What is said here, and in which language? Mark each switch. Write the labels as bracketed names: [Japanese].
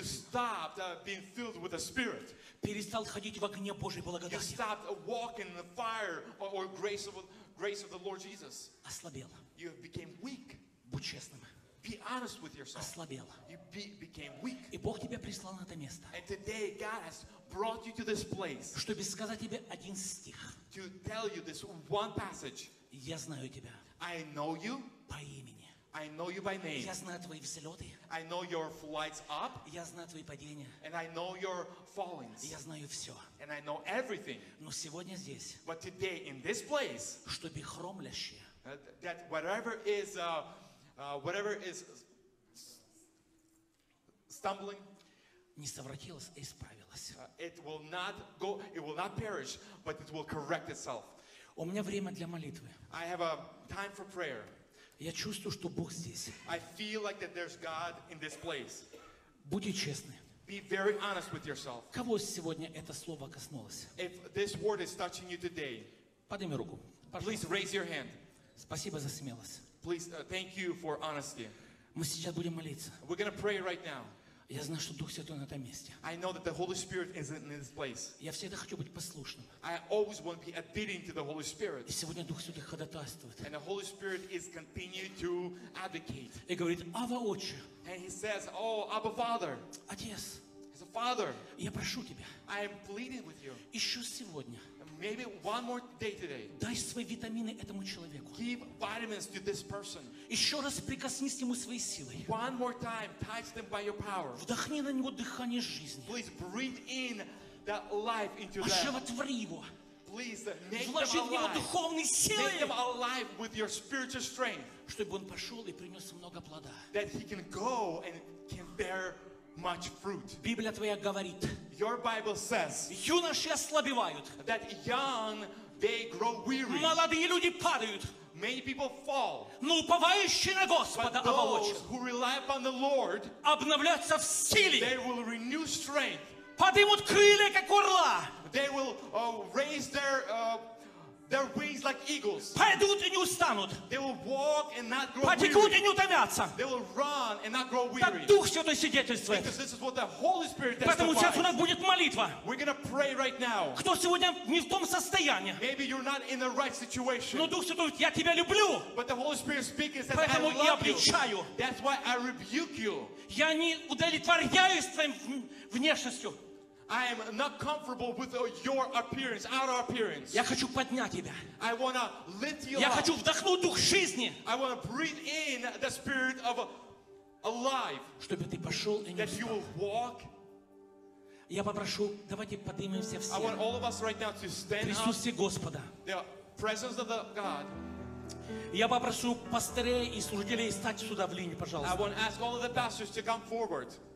[English] You stopped being filled with the Spirit. [Russian] Перестал ходить в огне Божьей благодати. [English] You stopped walking in the fire or grace of the Lord Jesus. [Russian] Ослабел. [English] You became weak. [Russian] Будь честным. [English] Be honest with yourself. [Russian] Ослабел. [English] You became weak. [Russian] И Бог тебя прислал на это место. [English] And today God has brought you to this place. [Russian] Чтобы сказать тебе один стих. [English] To tell you this one passage. [Russian] Я знаю тебя. [English] I know you. [Russian] По имени. [English] I know you by name. [Russian] Я знаю твои взлеты. [English] I know your flights up. [Russian] Я знаю твои падения. [English] And I know your fallings. [Russian] Я знаю все. [English] And I know everything. [Russian] Но сегодня здесь. [English] But today in this place. [Russian] Чтобы хромлящие. [English] That whatever is stumbling. [Russian] Не совратилось, а исправилось. [English] It will not go. It will not perish, but it will correct itself. [Russian] У меня время для молитвы. [English] I have a time for prayer. [Russian] Я чувствую, что Бог здесь. [English] I feel like that there's God in this place. [Russian] Будьте честны. [English] Be very honest with yourself. [Russian] Кого сегодня это слово коснулось? [English] If this word is touching you today, [Russian] подними руку. [English] Please raise your hand. [Russian] Спасибо за смелость. [English] Please, thank you for honesty. [Russian] Мы сейчас будем молиться. [English] We're gonna pray right now. [Russian] Я знаю, что Дух Святой на этом месте. [English] I know that the Holy Spirit is in this place. [Russian] Я всегда хочу быть послушным. [English] I always want to be obedient to the Holy Spirit. [Russian] И сегодня Дух Святой ходатайствует. [English] And the Holy Spirit is continuing to advocate. [Russian] И говорит: Ава, Отче. [English] And he says, Oh, Abba, Father. [Russian] Отец. [English] As a Father. [Russian] Я прошу тебя. [English] I am pleading with you. [Russian] Еще сегодня. [English] Maybe one more day today. [Russian] Дай свои витамины этому человеку. [English] Give vitamins to this person. [Russian] Еще раз прикоснись ему своей силой. [English] One more time, touch them by your power. [Russian] Вдохни на него дыхание жизни. [English] Please breathe in the life into them. [Russian] Оживотвори его. [English] Please make them alive. [Russian] В него духовной силой. [English] Make them alive with your spiritual strength. [Russian] Чтобы он пошел и принес много плода. [English] That he can go and can bear much fruit. [Russian] Библия твоя говорит. [English] Your Bible says. [Russian] Юноши ослабевают. [English] That young they grow weary. [Russian] Молодые люди падают. [English] Many people fall. [Russian] Но уповающие на Господа обновятся. [English] But those who rely upon the Lord. [Russian] Обновляются в силе. [English] They will renew strength. [Russian] Поднимут крылья как орла. [English] They will raise their wings like eagles. [Russian] Пойдут и не устанут. [English] They will walk and not grow weary. [Russian] Потекут и не утомятся. [English] They will run and not grow weary. [Russian] Так Дух Святой свидетельствует. [English] Because this is what the Holy Spirit testifies. [Russian] Поэтому сейчас у нас будет молитва. [English] We're gonna pray right now. [Russian] Кто сегодня не в том состоянии? [English] Maybe you're not in the right situation. [Russian] Но Дух Святой говорит, я тебя люблю. [English] But the Holy Spirit speaks and says, [Russian] поэтому [English] I love [Russian] я обличаю. [English] You. That's why I rebuke you. [Russian] Я не удовлетворяюсь твоим внешностью. [English] I am not comfortable with your appearance, outer appearance. [Russian] Я хочу поднять тебя. [English] I want to lift you [Russian] я [English] up. [Russian] Я хочу вдохнуть дух жизни. [English] I want to breathe in the spirit of alive. [Russian] Чтобы ты пошел и не устал. [English] That you will walk. [Russian] Я попрошу, давайте поднимемся все. [English] I want all of us right now to stand up. [Russian] Присутствие Господа. [English] The presence of the God. [Russian] Я попрошу пастырей и служителей стать сюда в линию, пожалуйста. [English] I want to ask all of the pastors to come forward.